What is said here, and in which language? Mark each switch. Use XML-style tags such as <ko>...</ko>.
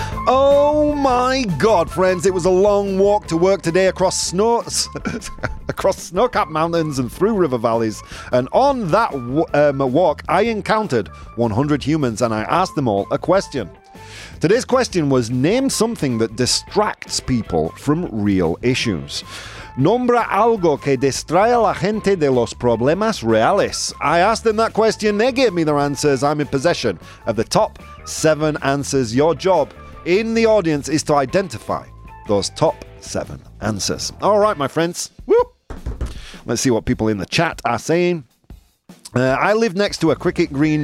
<en>Oh my God, friends, it was a long walk to work today across snow-capped mountains and through river valleys. And on that walk, I encountered 100 humans and I asked them all a question. Today's question was, name something that distracts people from real issues.</en> <es>Nombra algo que distrae a la gente de los problemas reales.</es> <en>I asked them that question, they gave me their answers. I'm in possession of the top 7 answers. Your job in the audience is to identify those top 7 answers. All right, my friends. Woo! Let's see what people in the chat are saying. I live next to a cricket green.</en>